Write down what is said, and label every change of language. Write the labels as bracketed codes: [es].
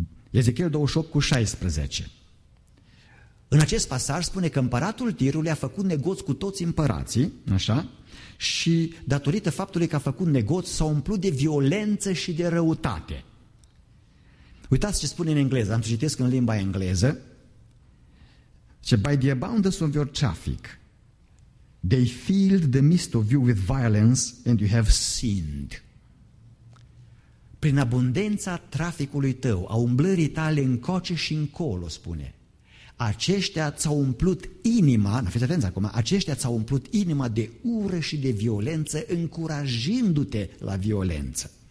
[ro] Ezechiel 28:16. În acest pasaj spune că împăratul Tirului a făcut negoți cu toți împărații, așa, și datorită faptului că a făcut negoți s-a umplut de violență și de răutate. Uitați ce spune în engleză, am să citesc în limba engleză. [en] Ce, by the abundance of your traffic, they filled the midst of you with violence and you have sinned. [ro] Prin abundența traficului tău, a umblării tale încoace și încolo, spune, aceștia ți-au umplut inima, na, fiți atenți acum, aceștia ți-au umplut inima de ură și de violență, încurajându-te la violență.